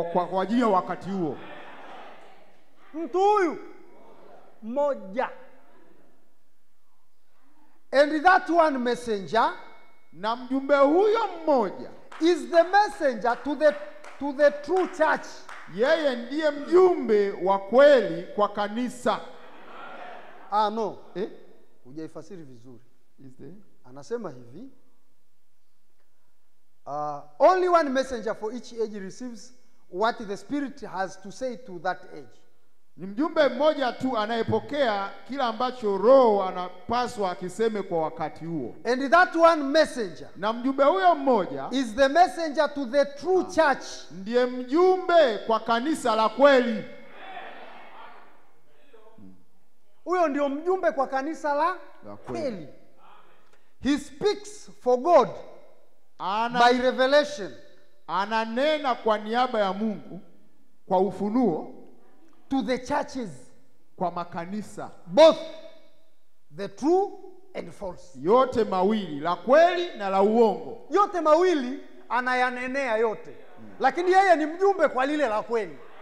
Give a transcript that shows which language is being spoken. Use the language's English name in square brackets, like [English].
[Swahili] Kwa jinyo wakati huo. Mtu huyu. Moja. [English] And that one messenger. [Swahili] Na mjumbe huyo mmoja. [English] Is the messenger to the true church. [Swahili] Yeye ndiye mjumbe wa kweli kwa kanisa. [English] Ah no. Eh? [Swahili] Ujaifasiri vizuri. [English] Is there? [Swahili] Anasema hivi. [English] Only one messenger for each age receives what the Spirit has to say to that age. [Swahili] Ni mjumbe mmoja tu anayepokea kila ambacho Roho anapaswa akiseme kwa wakati huo. [English] And that one messenger. [Swahili] Na mjumbe huyo mmoja [English] is the messenger to the true church. [Swahili] Ndiye mjumbe kwa kanisa la kweli. Huyo ndio mjumbe kwa kanisa la kweli. [English] He speaks for God by revelation. [Swahili] Ananena kwa niaba ya Mungu kwa ufunuo. [English] To the churches. [Swahili] Kwa makanisa. [English] Both the true and false. [Swahili] Yote mawili. La kweli na la uongo. Yote mawili anayanenea yote. Lakini yeye ni mjumbe kwa lile la kweli.